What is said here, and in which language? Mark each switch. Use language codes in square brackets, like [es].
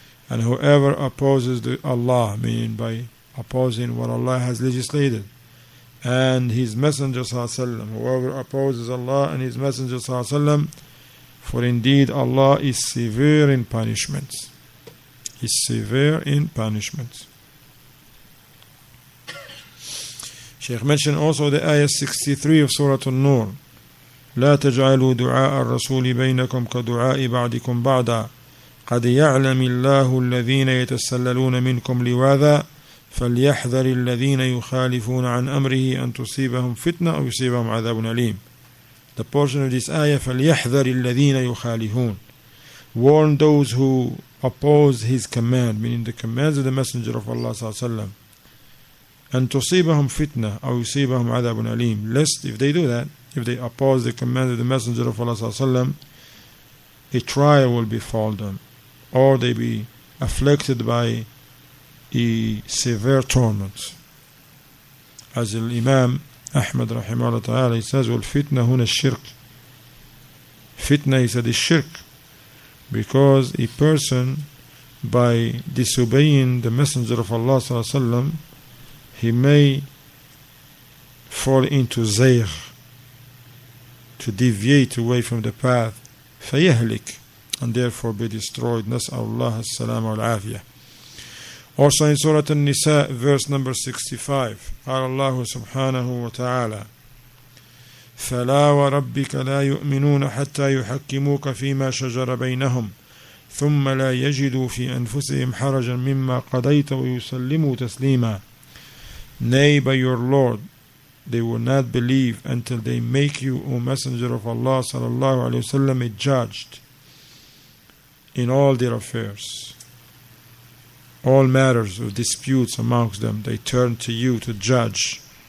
[en] And whoever opposes Allah, meaning by opposing what Allah has legislated, and His Messenger صلى الله عليه وسلم, whoever opposes Allah and His Messenger صلى الله عليه وسلم, for indeed Allah is severe in punishments. Is severe in punishments. Sheikh mentioned also the ayah 63 of Surah An-Nur. [ar] لا تجعلوا دعاء الرسول بينكم كدعاء بعضكم بعضا قد يعلم الله الذين يتسللون منكم لواذا فليحذر الذين يخالفون عن أمره أن تصيبهم فتنة أو يصيبهم عذاب أليم. [en] The portion of this ayah, [ar] فليحذر الذين يخالفون. [en] Warn those who oppose his command, meaning the commands of the Messenger of Allah صلى الله عليه وسلم. [ar] أن تصيبهم فتنة أو يصيبهم عذاب أليم. [en] Lest if they do that, if they oppose the command of the Messenger of Allah صلى الله عليه وسلم, a trial will befall them, or they be afflicted by a severe torment. As the Imam Ahmad رحمه الله تعالى, he says, [ar] والفتنة هنا الشرك. [en] Fitna, he said, is shirk. Because a person, by disobeying the Messenger of Allah صلى الله عليه وسلم, he may fall into zayr, to deviate away from the path, فيهلك, and therefore be destroyed. [ar] نسأل الله السلام والعافية. [en] Also in Surah An-Nisa, verse number 65, [ar] قال الله سبحانه وتعالى فلا وربك لا يؤمنون حتى يحكموك فيما شجر بينهم ثم لا يجدوا في أنفسهم حرجا مما قضيت ويسلموا تسليما. [en] Nay, by your Lord, they will not believe until they make you, O Messenger of Allah sallallahu alayhi wa sallam, a judge in all their affairs. All matters of disputes amongst them, they turn to you to judge.